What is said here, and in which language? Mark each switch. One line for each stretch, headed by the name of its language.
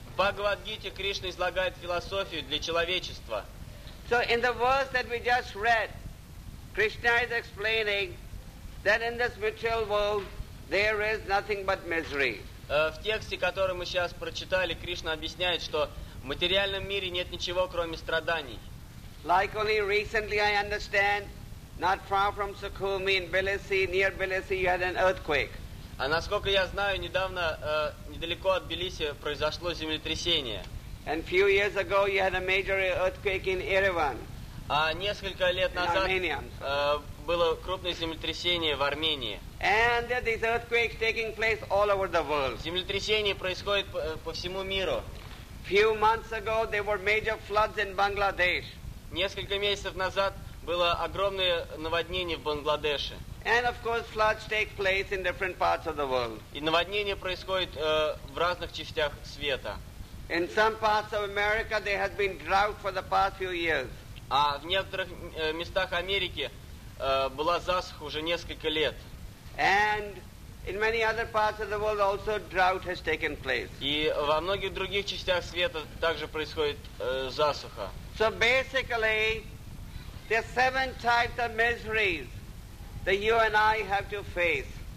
Russian: В Бхагавад Гите Кришна излагает философию для человечества.
English: So, in the verse that we just read, Krishna is explaining that in this material world there is nothing but misery.
Russian: В тексте, который мы сейчас прочитали, Кришна объясняет, что в материальном мире нет ничего, кроме страданий.
English: Like only recently I understand, not far from Sukhumi in Tbilisi, near Tbilisi, you had an earthquake.
Russian: А насколько я знаю, недавно недалеко от Тбилиси произошло землетрясение.
English: And few years ago you had a major earthquake in Erevan.
Russian: А несколько лет назад было крупное землетрясение в Армении.
English: And there are these earthquakes taking place all over the world.
Russian: Землетрясения происходят по всему миру.
English: Few months ago there were major floods in Bangladesh.
Russian: Несколько месяцев назад было огромное наводнение в Бангладеше.
English: And of course floods take place in different parts of the world.
Russian: И наводнения происходят в разных частях света.
English: In some parts of America there has been drought for the past few years.
Russian: А в некоторых местах Америки была засуха уже несколько лет.
English: And in many other parts of the world also drought has taken place.
Russian: И во многих других частях света также происходит засуха.
English: So basically there are seven types of miseries that you and I have to face.